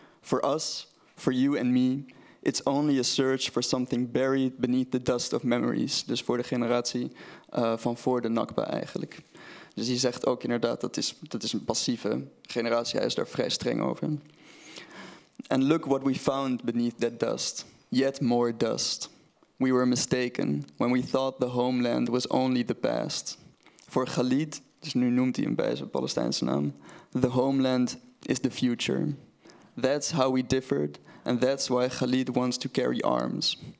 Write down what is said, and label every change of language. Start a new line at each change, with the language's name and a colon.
English: For us, for you and me, it's only a search for something buried beneath the dust of memories.
Dutch: Dus voor de generatie van voor de Nakba eigenlijk. Dus hij zegt ook inderdaad, dat is een passieve generatie. Hij is daar vrij streng over.
English: And look what we found beneath that dust. Yet more dust. We were mistaken when we thought the homeland was only the past.
Dutch: For Galit, dus nu noemt hij hem bij zijn Palestijnse naam,
English: the homeland is the future. That's how we differed, and that's why Galit wants to carry arms.